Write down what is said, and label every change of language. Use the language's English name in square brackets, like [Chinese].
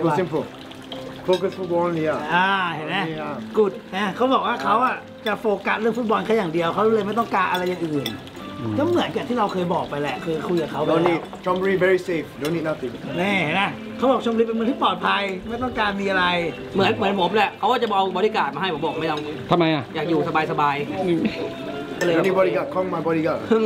[English] ว simple focus football เนี่ย [Thai] เห็นไหม good นะเขาบอกว่าเขาอ่ะจะโฟกัสเรื่องฟุตบอลแค่อย่างเดียวเขาเลยไม่ต้องการอะไรอย่างอื่นก็เหมือนกับที่เราเคยบอกไปแหละคือคุยกับเขาไปแล้ว [English] don't need ชมรี very safe don't need nothing [Thai] นี่เห็นไหมเขาบอกชมรีเป็นเมืองที่ปลอดภัยไม่ต้องการมีอะไร เหมือนผมแหละเขาก็จะเอาบริการมาให้ผมบอกไม่ต้อง ทำไมอ่ะ อยากอยู่สบายสบาย เลยบริการของ [English] my bodyguard